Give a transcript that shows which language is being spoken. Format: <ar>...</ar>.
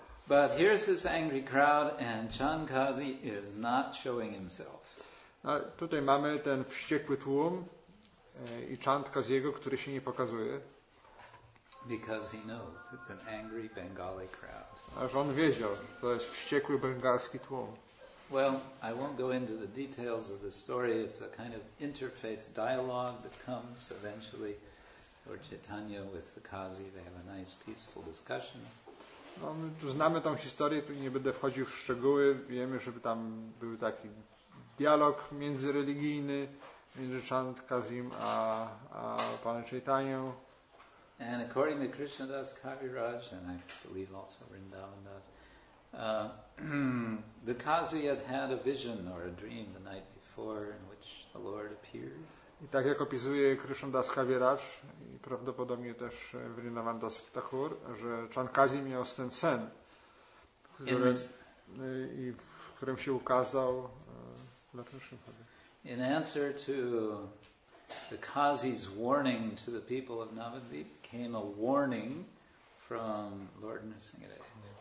<en>But here's this angry crowd, and Chan Kazi is not showing himself.</en> <pl>No, tutaj mamy ten wściekły tłum i Chan Kaziego, który się nie pokazuje.</pl> <en>Because he knows it's an angry Bengali crowd.</en> <pl>Aż on wiedział, to jest wściekły bengalski tłum.</pl> <en>Well, I won't go into the details of the story. It's a kind of interfaith dialogue that comes eventually. Lord Chaitanya with the Kazi, they have a nice, peaceful discussion.</en> <pl>No, my tu znamy tą historię, tu nie będę wchodził w szczegóły. Wiemy, żeby tam był taki dialog międzyreligijny między Chand Kazim a Panem Chaitanią.</pl> <en>And according to Krishna Das Kaviraj, and I believe also Vrindavan Das, the Kazi had had a vision or a dream the night before in which the Lord appeared.</en> <pl>I tak jak opisuje Krishna Das Kaviraj i prawdopodobnie też Vrindavan Das Thakur, że Chan Kazi miał ten sen, w którym się ukazał dla Krishna.</pl> <en>In answer to the Kazi's warning to the people of Navadvip came a warning from Lord Nrsingadev.</en>